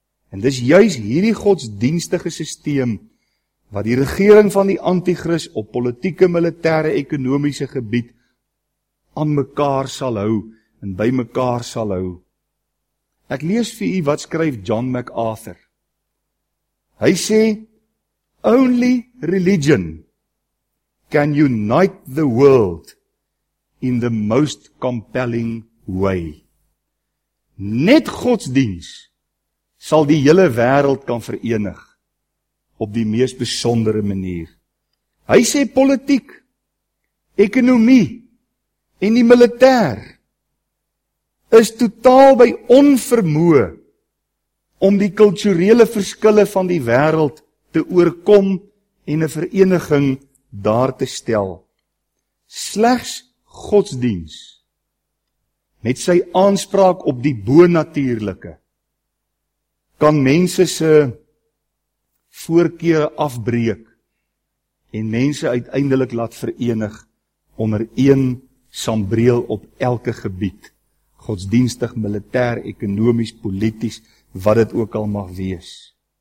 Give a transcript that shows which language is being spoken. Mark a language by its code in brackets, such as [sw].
[af] En dis juis hierdie godsdienstige systeem wat die regering van die antichrist op politieke, militêre, ekonomiese gebied aan mekaar sal hou en by mekaar sal hou. Ek lees vir u wat skryf John MacArthur. [en] Hy sê, only religion can unite the world in the most compelling way. [af] Net godsdiens sal die hele wêreld kan verenig op die mees besondere manier. Hy sê politiek, ekonomie en die militêr is totaal by onvermoë om die kulturele verskille van die wêreld te oorkom en 'n vereniging daar te stel. Slegs godsdiens met sy aanspraak op die bonatuurlike kan mense se voorkeure afbreek en mense uiteindelik laat verenig onder een sambreel op elke gebied, godsdienstig, militêr, ekonomies, polities, wat dit ook al mag wees.